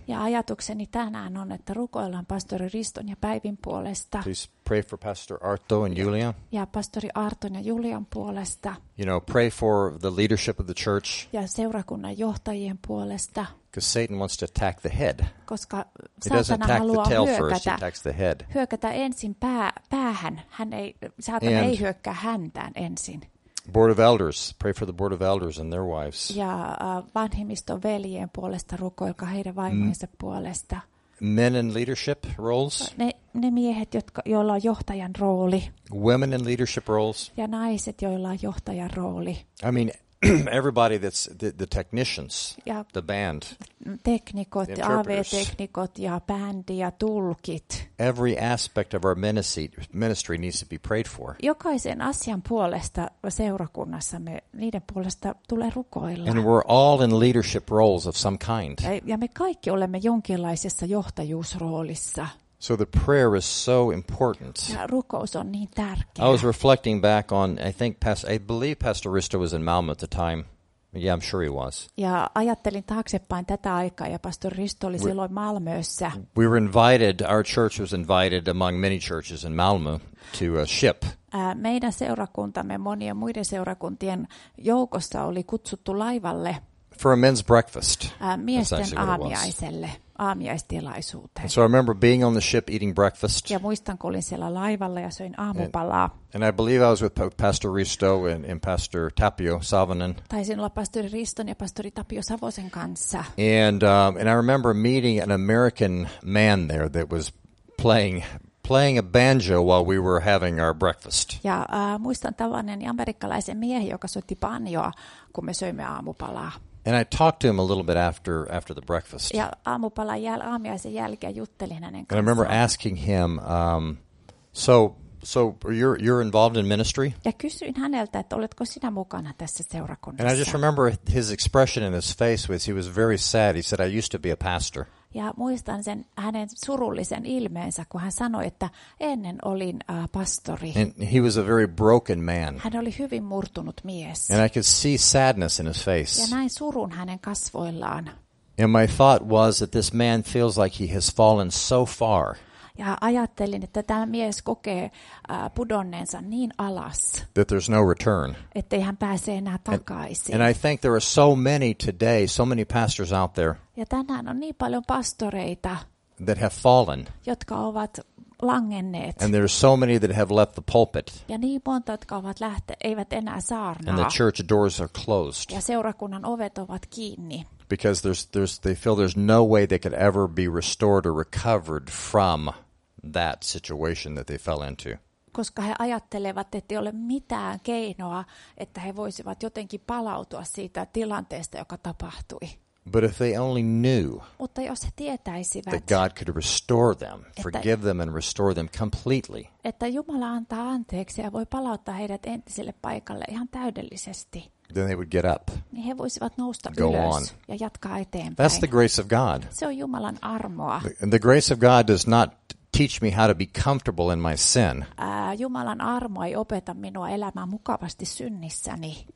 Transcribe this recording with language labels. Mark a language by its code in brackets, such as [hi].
[fi] Ja ajatukseni tänään on, että rukoillaan Pastori Riston ja Päivin puolesta. [en] Please pray for Pastor Arto and Julian. [fi] Ja Pastori Arton ja Julian puolesta. [en] You know, pray for the leadership of the church. [fi] Ja seurakunnan johtajien puolesta. [en] Because Satan wants to attack the head. [fi] Koska saatana haluaa hyökätä ensin päähän. Saatana ei hyökkää häntään ensin. [en] Board of Elders, pray for the Board of Elders and their wives. [fi] Ja vanhimmiston veljien puolesta rukoilkaa heidän vaimojensa puolesta. [en] Men in leadership roles. [fi] Ne miehet, joilla on johtajan rooli. [en] Women in leadership roles. [fi] Ja naiset, joilla on johtajan rooli. [en] I mean, everybody that's the technicians, ja the band. [fi] Teknikot, AV-teknikot ja bändi ja tulkit. [en] Every aspect of our ministry needs to be prayed for. [fi] Jokaisen asian puolesta seurakunnassa me niiden puolesta tulee rukoilla. [en] And we're all in leadership roles of some kind. [fi] Ja me kaikki olemme jonkinlaisessa johtajuusroolissa. [en] So the prayer is so important. [fi] Ja rukous on niin tärkeä. [en] I was reflecting back on, I believe Pastor Risto was in Malmö at the time. Yeah, I'm sure he was. [fi] Ja ajattelin taaksepäin tätä aikaa ja Pastor Risto oli silloin Malmössä. [en] We were invited, our church was invited among many churches in Malmö to a ship. [fi] Meidän seurakuntamme monien muiden seurakuntien joukossa oli kutsuttu laivalle. [en] For a men's breakfast. [fi] Miesten aamiaiselle. Aamiaistilaisuuteen. [en] So I remember being on the ship eating breakfast. [fi] Ja muistan, kun olin siellä laivalla ja söin aamupalaa. [en] And I believe I was with Pastor Risto and Pastor Tapio Savonen. [fi] Taisin olla Pastori Riston ja Pastori Tapio Savosen kanssa. [en] And I remember meeting an American man there that was playing playing a banjo while we were having our breakfast. [fi] Ja muistan tavanneeni amerikkalaisen miehen, joka soitti banjoa, kun me söimme aamupalaa. [en] And I talked to him a little bit after the breakfast. [fi] Ja aamupalan aamiaisen jälkeen juttelin hänen kanssaan. [en] And I remember asking him, so you're involved in ministry? [fi] Ja kysyin häneltä, että oletko sinä mukana tässä seurakunnassa. [en] And I just remember his expression in his face was he was very sad. He said, I used to be a pastor. [fi] Ja muistan sen hänen surullisen ilmeensä, kun hän sanoi, että ennen olin pastori. [en] And he was a very broken man. [fi] Hän oli hyvin murtunut mies. [en] And I could see sadness in his face. [fi] Ja näin surun hänen kasvoillaan. [en] And my thought was that this man feels like he has fallen so far. [fi] Ja ajattelin, että tämä mies kokee pudonneensa niin alas, [en] that there's no return, [fi] ettei hän pääse enää takaisin. [en] And I think there are so many today, so many pastors out there, [fi] ja tänään on niin paljon pastoreita, [en] that have fallen, [fi] jotka ovat langenneet. [en] And there are so many that have left the pulpit, [fi] ja niin monta, jotka ovat eivät enää saarnaa. [en] And the church doors are closed, [fi] ja seurakunnan ovet ovat kiinni. [en] Because they feel there's no way they could ever be restored or recovered from that situation that they fell into. [fi] Koska he ajattelevat, ettei ole mitään keinoa, että he voisivat jotenkin palautua siitä tilanteesta, joka tapahtui. [en] But if they only knew, [fi] mutta jos he tietäisivät, [en] that God could restore them, forgive them and restore them completely, [fi] että Jumala antaa anteeksi ja voi palauttaa heidät entiselle paikalle ihan täydellisesti. [en] Then they would get up. [fi] Niin he voisivat nousta [en] go [fi] ylös [en] on. [fi] Ja jatkaa eteenpäin. [en] That's the grace of God. [fi] Se on Jumalan armoa. [en] The grace of God does not teach me how to be comfortable in my sin. [fi] Jumalan armo ei opeta minua elämään mukavasti synnissäni.